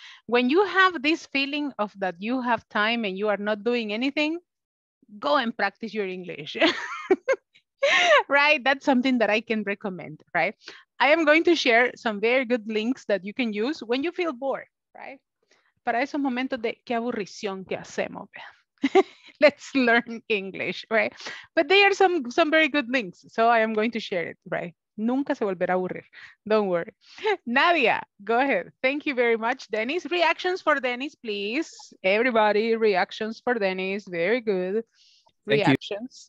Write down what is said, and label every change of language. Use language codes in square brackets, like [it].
[en] When you have this feeling of that you have time and you are not doing anything, go and practice your English. Right, that's something that I can recommend, right? I am going to share some very good links that you can use when you feel bored, right? [es] Para esos momentos de qué aburrición que hacemos. [en] Let's learn English, right? But there are some very good links, so I am going to share it, right? [es] Nunca se volverá a aburrir. [en] Don't worry. [es] Nadia, go ahead. [en] Thank you very much, Dennis. Reactions for Dennis, please. Everybody, reactions for Dennis. Very good. Reactions.